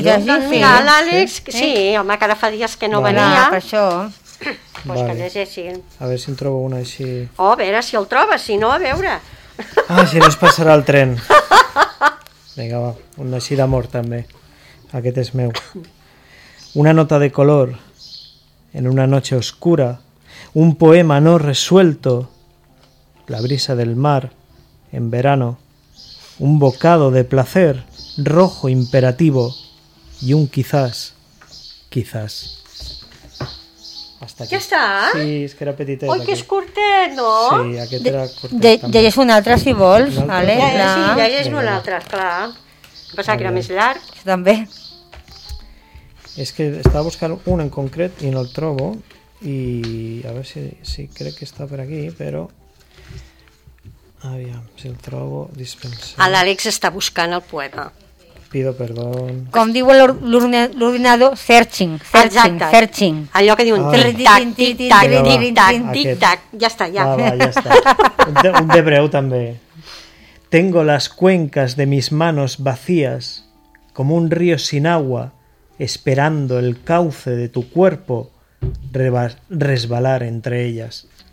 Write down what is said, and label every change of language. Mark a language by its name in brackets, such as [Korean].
[Catalan] llegir. Sí. Mira, l'Àlex, sí, home, que ara fa dies que no venia. Ah, per això. [Spanish] Pues vale. [Catalan] Que llegeixin. A veure si en trobo una així. Oh, a veure si el trobes, si no, a veure. Ah, si no es passarà el tren. Vinga, va, un així d'amor també. Aquest és meu. [Spanish] Una nota de color en una noche oscura, un poema no resuelto, la brisa del mar en verano, un bocado de placer rojo imperativo y un quizás, quizás. Hasta aquí. [Catalan] Ja està? Sí, és que era petitet. Oi, que és curtet, no? Sí, aquest era curtet. Ja és un altre, si vols. Sí, ja és un altre, clar. Em pensava que era més llarg. També. És que estava buscant un en concret i no el trobo. I a veure si, crec que està per aquí, però... Aviam, si el trobo, dispensa. L'Àlex està buscant el poema. [Spanish] Pido perdón. [Catalan] Com diu l'ordinador, [English] searching, searching. [Catalan] Exacte. [English] Searching. [Catalan] Allò que diu un tic-tac, tic-tac, tic-tac. Ja està, ja. Ah, va, ja està. Un de breu també. [Spanish] Tengo las cuencas de mis manos vacías como un río sin agua esperando el cauce de tu cuerpo resbalar entre ellas.